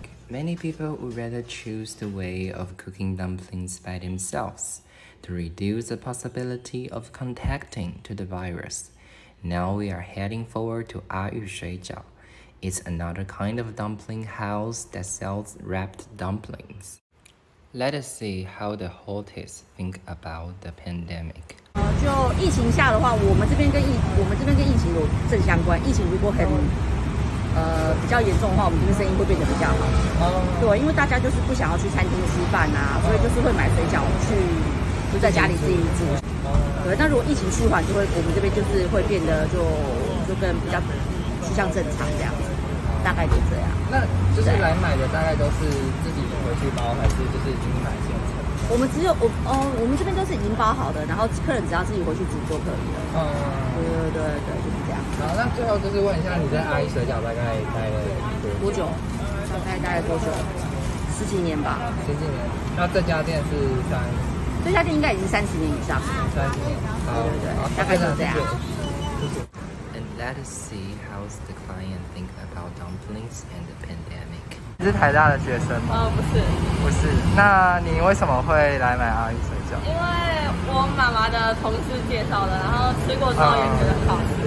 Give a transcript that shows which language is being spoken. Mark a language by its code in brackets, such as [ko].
[en] Many people would rather choose the way of cooking dumplings by themselves to reduce the possibility of contacting to the virus. Now we are heading forward to Ayu Shuijiao. It's another kind of dumpling house that sells wrapped dumplings. Let us see how the hotels think about the pandemic. [zh] 就疫情下的话，我们这边跟疫情有正相关。疫情如果很比较严重的话，我们这边生意会变得比较好。对，因为大家就是不想要去餐厅吃饭啊，所以就是会买水饺去，就在家里自己煮。对，那如果疫情舒缓，就会我们这边就是会变得就跟比较趋向正常这样子，大概就这样。那就是来买的大概都是自己回去包，还是就是已经买现成？我们只有我们这边都是已经包好的，然后客人只要自己回去煮就可以了。对。好，那最后就是问一下，你在阿姨水饺大概待了多久？大概多久？十几年吧。十几年。那这家店是三？这家店应该已经三十年以上。三十年。好。对。大概就是这样。 [en] And let us see how the client think about dumplings and the pandemic. [zh] 你是台大的学生吗？不是。不是。那你为什么会来买阿姨水饺？因为我妈妈的同事介绍的，然后吃过之后也觉得好。